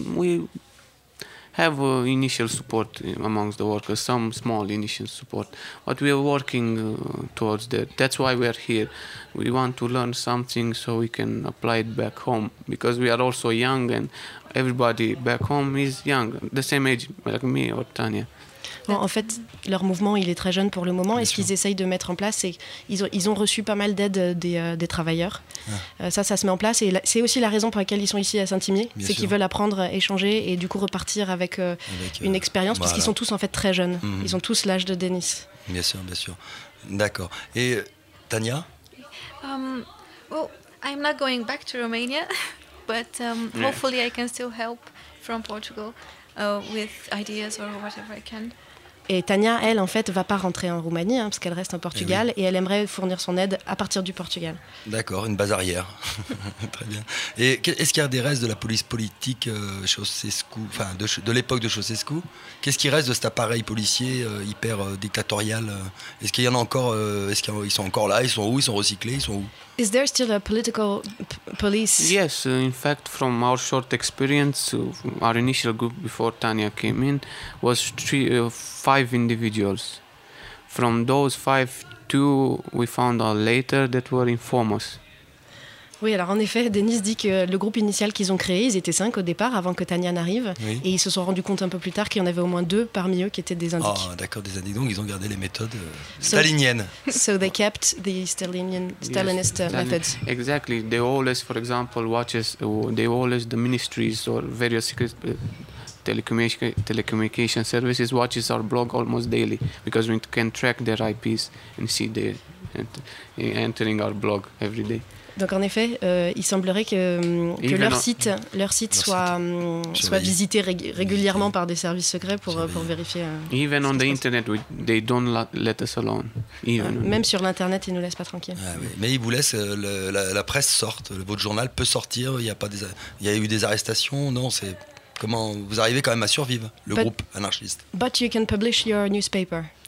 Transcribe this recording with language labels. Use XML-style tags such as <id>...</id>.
<en>We have initial support amongst the workers, some small initial support, but we are working towards that. That's why we are here. We want to learn something so we can apply it back home, because we are also young and everybody back home is young, the same age like me or Tania.</en> <fr>Bon, en fait, leur mouvement, il est très jeune pour le moment. Et ce qu'ils essayent de mettre en place, c'est ils ont reçu pas mal d'aide des travailleurs. Ouais. Ça se met en place. Et c'est aussi la raison pour laquelle ils sont ici à Saint-Imier. C'est qu'ils veulent apprendre, échanger et du coup repartir avec une expérience. Voilà. Parce qu'ils sont tous en fait très jeunes. Mm-hmm. Ils ont tous l'âge de Denis. Bien sûr, bien sûr. D'accord. Et Tania?</fr> <en>Well, I'm not going back to Romania. But hopefully I can still help from Portugal. With ideas or whatever I can.</en> <fr>Et Tania, elle, en fait, va pas rentrer en Roumanie, hein, parce qu'elle reste en Portugal, et elle aimerait fournir son aide à partir du Portugal. D'accord, une base arrière. Très bien. Et est-ce qu'il y a des restes de la police politique Ceausescu, enfin, de l'époque de Ceausescu? Qu'est-ce qui reste de cet appareil policier hyper dictatorial? Est-ce qu'il y en a encore? Est-ce qu'ils sont encore là? Ils sont où? Ils sont recyclés? Ils sont où?</fr> <en>Is there still a political police? Yes, in fact, from our short experience, our initial group before Tania came in was five individuals. From those five, two we found out later that were informers.</en> <fr>Oui, alors en effet, Denis dit que le groupe initial qu'ils ont créé, ils étaient cinq au départ, avant que Tania n'arrive. Oui. Et ils se sont rendus compte un peu plus tard qu'il y en avait au moins deux parmi eux qui étaient des indiques. Ah, d'accord, des indiques. Donc ils ont gardé les méthodes staliniennes.</fr> <en>So they kept the Stalinist methods. Exactly. They always, for example, watches, they always, the ministries or various secret telecommunication services watches our blog almost daily, because we can track their IPs and see their entering our blog every day.</en> <fr>Donc en effet, il semblerait que leur site soit visité régulièrement par des services secrets pour vérifier.</fr> <en>Even on the internet, they don't let us alone.</en> <fr>Même sur l'internet, ils nous laissent pas tranquilles. Ah, oui. Mais ils vous laissent, la presse sorte, votre journal peut sortir. Il y a eu des arrestations? Non, c'est comment vous arrivez quand même à survivre, groupe anarchiste.</fr> <en>But you can publish your newspaper.</en>